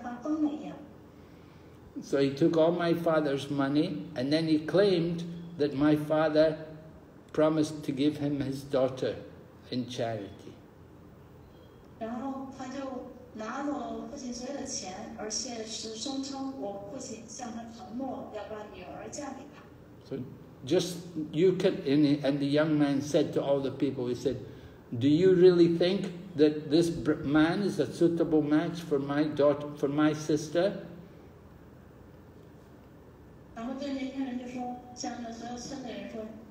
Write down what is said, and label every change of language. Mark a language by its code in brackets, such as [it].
[zh] 他给我父亲一些麻醉品，然后让我父亲像发疯了一样。 [en] So he took all my father's money and then he claimed that my father promised to give him his daughter in charity. [zh] 然后他就拿走父亲所有的钱，而且是声称我父亲向他承诺要把女儿嫁给他。 [en] So just you can, and the young man said to all the people, he said, "Do you really think that this man is a suitable match for my daughter, for my sister?" [zh] 然后这年轻人就说，向所有村的人说。